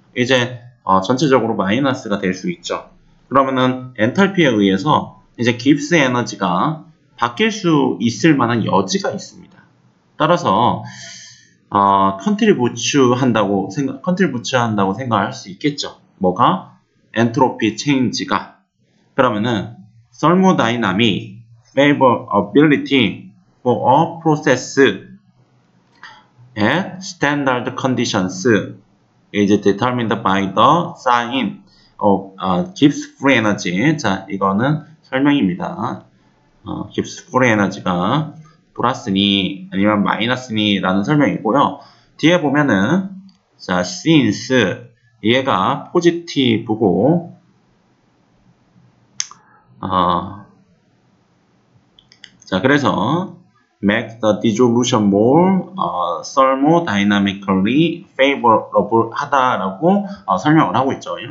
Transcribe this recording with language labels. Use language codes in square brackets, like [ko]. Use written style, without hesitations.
[ko] 이제 전체적으로 마이너스가 될수 있죠. 그러면은 엔탈피에 의해서 이제 깁스 에너지가 바뀔 수 있을 만한 여지가 있습니다. 따라서 컨트리뷰츠 한다고 생각할 수 있겠죠. 뭐가? 엔트로피 체인지가. 그러면은 [en] thermodynamic favorability for a process at standard conditions is determined by the sign of Gibbs free energy. [ko] 자, 이거는 설명입니다. Gibbs free energy가 플러스니 아니면 마이너스니 라는 설명이고요. 뒤에 보면은 자, since 얘가 포지티브고 자, 그래서 [en] make the dissolution more thermodynamically favorable [ko] 하다라고 설명을 하고 있죠.